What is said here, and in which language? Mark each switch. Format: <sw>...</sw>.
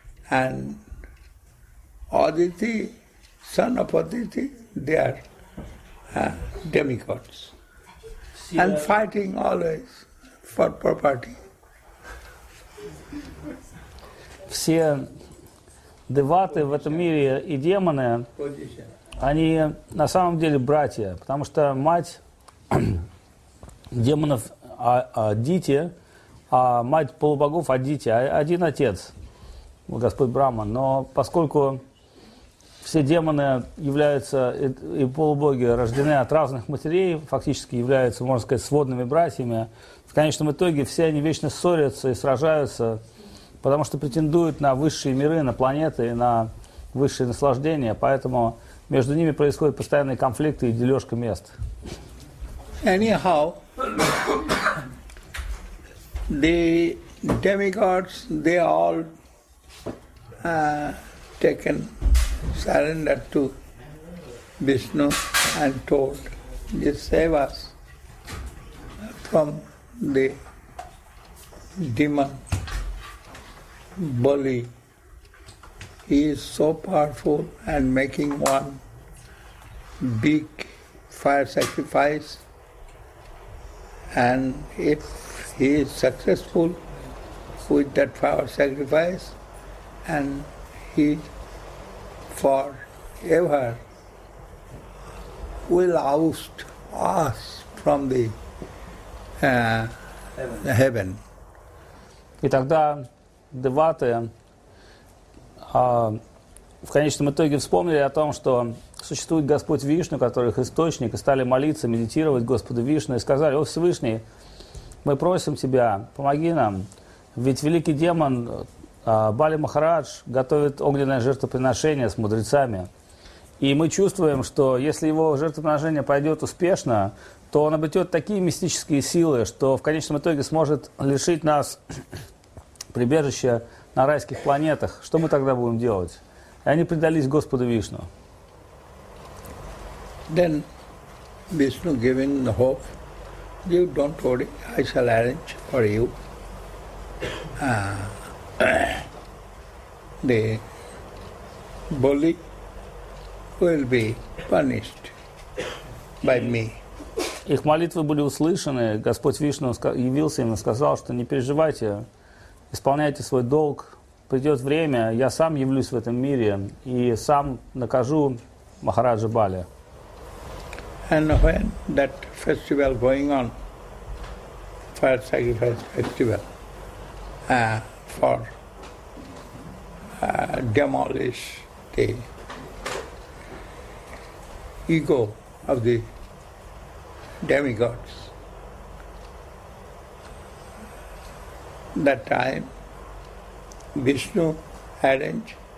<en>And Aditi, son of Aditi, they are demigods. And fighting always for property.</en> <ru>Все деваты в этом мире и демоны, они на самом деле братья, потому что мать демонов Адити, а мать полубогов Адити, один отец, Господь Брахма. Но поскольку все демоны являются и полубоги рождены от разных матерей, фактически являются, можно сказать, сводными братьями, в конечном итоге все они вечно ссорятся и сражаются, потому что претендуют на высшие миры, на планеты и на высшие наслаждения, поэтому между ними происходят постоянные конфликты и дележка мест.</ru> <en>Anyhow, the demigods, they all taken surrender to Vishnu and told, just save us from the demon. Bali, he is so powerful and making one big fire sacrifice, and if he is successful with that fire sacrifice, and he forever will oust us from the heaven.</en> <ru>И тогда деваты в конечном итоге вспомнили о том, что существует Господь Вишну, который их источник, и стали молиться, медитировать Господу Вишну, и сказали: «О Всевышний, мы просим Тебя, помоги нам, ведь великий демон Бали Махарадж готовит огненное жертвоприношение с мудрецами, и мы чувствуем, что если его жертвоприношение пойдет успешно, то он обретет такие мистические силы, что в конечном итоге сможет лишить нас прибежище на райских планетах. Что мы тогда будем делать?» И они предались Господу Вишну.</ru> <en>Then Vishnu giving the hope, you don't worry, I shall arrange for you the bully will be punished by me.</en> <ru>Их молитвы были услышаны, Господь Вишну явился им и сказал, что не переживайте, исполняйте свой долг, придет время, я сам явлюсь в этом мире и сам накажу Махараджа Бали.</ru> <en>And when that festival going on, fire sacrifice festival, for demolish the ego of the demigods, that time Vishnu arranged.</en>